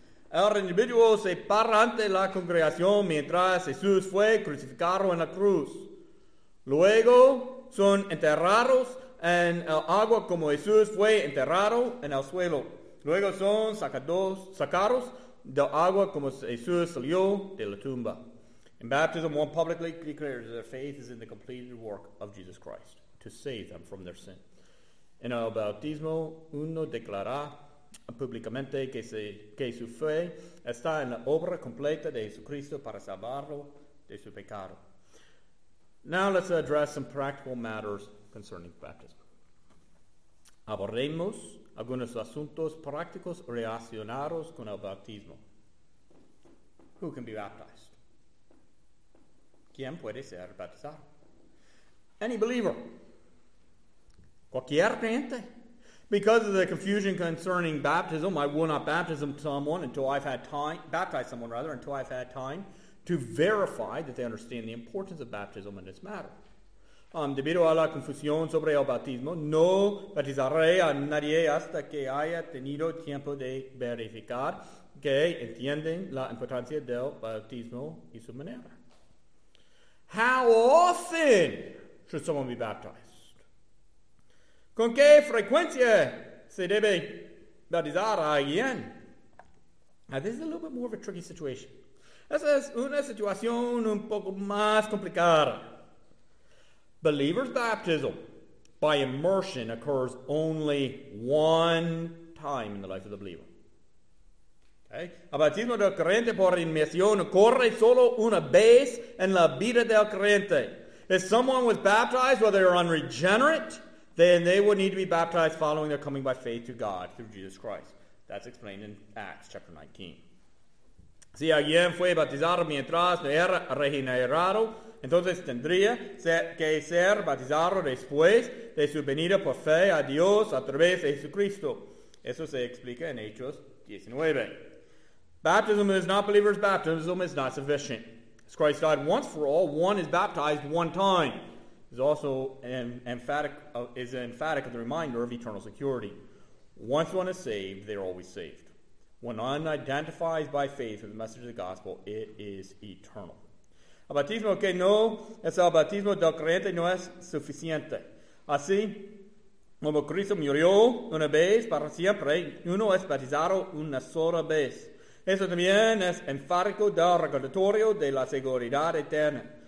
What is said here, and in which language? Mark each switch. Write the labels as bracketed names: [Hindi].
[Spanish] El individuo se para ante la congregación mientras Jesús fue crucificado en la cruz. Luego son enterrados en el agua como Jesús fue enterrado en el suelo. Luego son sacados del agua como Jesús salió de la tumba. [English] In baptism, one publicly declares that their faith is in the completed work of Jesus Christ to save them from their sin. [Spanish] En el bautismo, uno declara públicamente que su fe está en la obra completa de Jesucristo para salvarlo de su pecado. [English] Now let's address some practical matters concerning baptism. [Spanish] Abordemos algunos asuntos prácticos relacionados con el bautismo. [English] Who can be baptized? [Spanish] ¿Quién puede ser bautizado? [English] Any believer. [Spanish] Cualquier creyente. [English] Because of the confusion concerning baptism, I will not baptize someone until I've had time to verify that they understand the importance of baptism in this matter. [Spanish] Debido a la confusión sobre el bautismo, no bautizaré a nadie hasta que haya tenido tiempo de verificar que entienden la importancia del bautismo y su manera. [English] How often should someone be baptized? [Spanish] Con qué frecuencia se debe bautizar a alguien? [English] Now, this is a little bit more of a tricky situation. [Spanish] Esa es una situación un poco más complicada. [English] Believer's baptism by immersion occurs only one time in the life of the believer. Okay? [Spanish] El bautismo del creyente por inmersión ocurre solo una vez en la vida del creyente. [English] If someone was baptized while they were unregenerate, then they would need to be baptized following their coming by faith to God through Jesus Christ. That's explained in Acts chapter 19. [Spanish] Si alguien fue bautizado mientras no era regenerado, entonces tendría que ser bautizado después de su venida por fe a Dios a través de Jesucristo. Eso se explica en Hechos 19. [English] Baptism is not believers' baptism is not sufficient. As Christ died once for all, one is baptized one time. It's also an emphatic of the reminder of eternal security. Once one is saved, they are always saved. When one identifies by faith with the message of the gospel, it is eternal. [Spanish] El bautismo que no es el bautismo del creyente no es suficiente. Así, como Cristo murió una vez para siempre, uno es bautizado una sola vez. Eso también es enfático del recordatorio de la seguridad eterna.